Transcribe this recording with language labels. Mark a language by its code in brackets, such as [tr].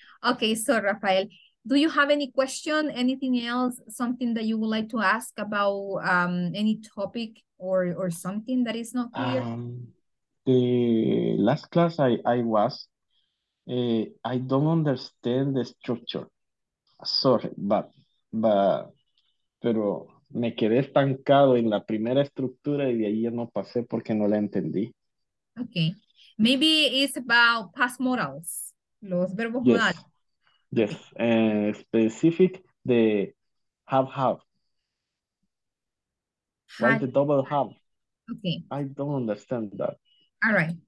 [en] Okay, so Rafael, do you have any question, anything else, something that you would like to ask about any topic or something that is not clear? The last class I was, I don't understand the structure. [es] Sorry, pero me quedé estancado en la primera estructura y de ahí ya no pasé porque no la entendí. [en] Okay. Maybe it's about past modals, [es] los verbos modales. [en] Yes, specific the have. Why the double have? Okay. I don't understand that. All right.